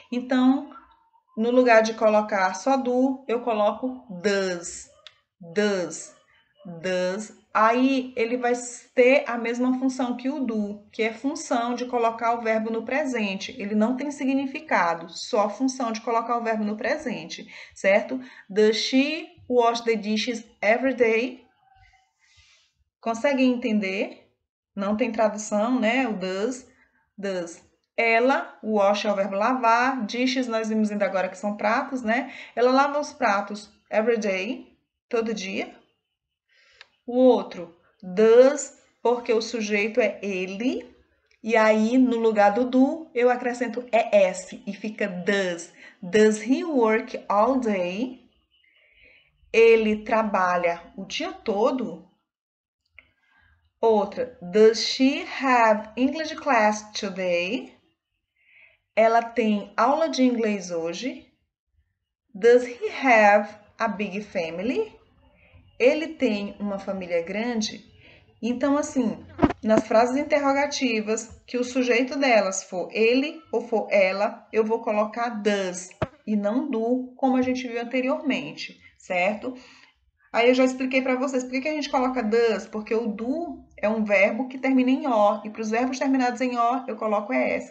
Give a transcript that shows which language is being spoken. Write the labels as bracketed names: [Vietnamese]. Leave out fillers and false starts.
[Portuguese] Então, no lugar de colocar só do, eu coloco does. Does Aí ele vai ter a mesma função que o do, que é função de colocar o verbo no presente. Ele não tem significado, só a função de colocar o verbo no presente, certo? [English] Does she wash the dishes every day? [Portuguese] Consegue entender? Não tem tradução, né? O does. Ela, wash é o verbo lavar, dishes nós vimos ainda agora que são pratos, né? Ela lava os pratos [English] every day, [Portuguese] todo dia. O outro, does, porque o sujeito é ele, e aí no lugar do do, eu acrescento es, e fica does. [English] Does he work all day? [Portuguese] Ele trabalha o dia todo. [English] Outra, does she have English class today? [Portuguese] Ela tem aula de inglês hoje. [English] Does he have a big family? [Portuguese] Ele tem uma família grande? Então, assim, nas frases interrogativas, que o sujeito delas for ele ou for ela, eu vou colocar does e não do, como a gente viu anteriormente, certo? Aí eu já expliquei para vocês por que que a gente coloca does, porque o do é um verbo que termina em O, e para os verbos terminados em O, eu coloco ES.